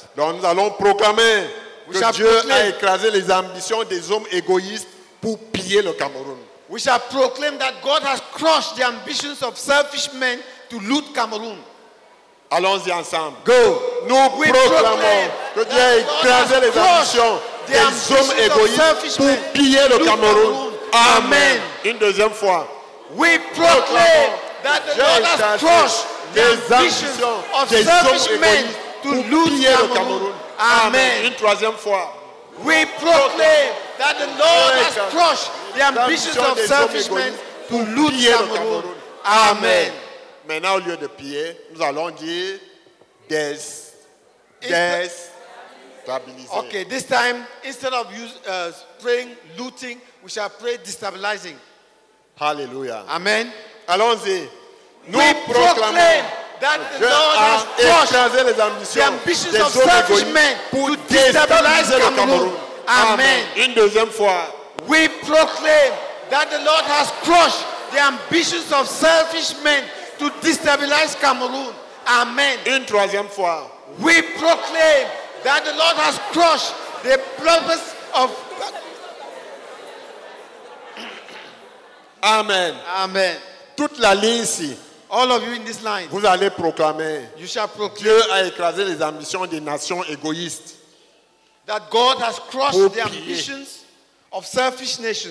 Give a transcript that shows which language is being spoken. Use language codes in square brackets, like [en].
[fr] Donc nous allons proclamer que Dieu a écrasé les ambitions des hommes égoïstes pour piller le Cameroun. [en] We shall proclaim that God has crushed the ambitions of selfish men to loot Cameroon. [fr] Allons-y ensemble. [en] Go. [fr] Nous [en] we [fr] proclamons que Dieu a écrasé les ambitions des hommes égoïstes pour piller le Cameroun. Amen. Une deuxième fois. [en] We proclaim that the Lord has crushed the ambitions of selfish men to loot Cameroon. [fr] Amen. Une troisième fois. [en] We proclaim that the Lord has crushed the ambitions of selfish men to loot Cameroon. Amen. [fr] Maintenant, au lieu de piller, nous allons dire déstabiliser. [en] Okay, this time, instead of praying looting, we shall pray destabilizing. Hallelujah. Amen. [fr] Allons-y. Nous proclamons que Dieu a écrasé les ambitions des hommes égoïstes pour déstabiliser le Cameroun. Amen. Une deuxième fois. [en] We proclaim that the Lord has crushed the ambitions of selfish men to destabilize Cameroon. Amen. [fr] Une troisième fois. [en] We proclaim that the Lord has crushed the purpose of Amen. Amen. [fr] Toute la ligne ici. [en] All of you in this line. [fr] Vous allez proclamer. [en] You shall proclaim. [fr] Dieu a écrasé les ambitions des nations égoïstes. [en] That God has crushed the ambitions of selfish nations.